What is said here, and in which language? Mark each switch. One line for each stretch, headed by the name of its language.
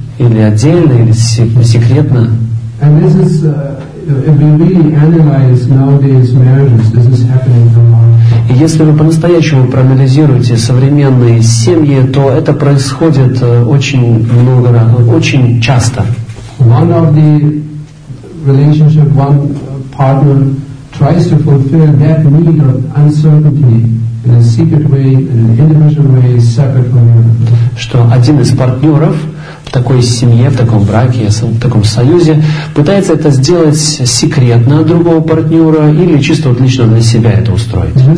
Russian: Или отдельно, или секретно.
English: And this is, if we really analyze nowadays marriages, this is happening a lot.
Russian: И если вы по-настоящему проанализируете современные семьи, то это происходит очень много раз, очень часто.
English: One of the relationship, one partner tries to fulfill that need of uncertainty in a secret way, in an individual way, separate from you.
Russian: Что один из партнеров в такой семье, в таком браке, в таком союзе, пытается это сделать секретно от другого партнера или чисто вот лично для себя это устроить.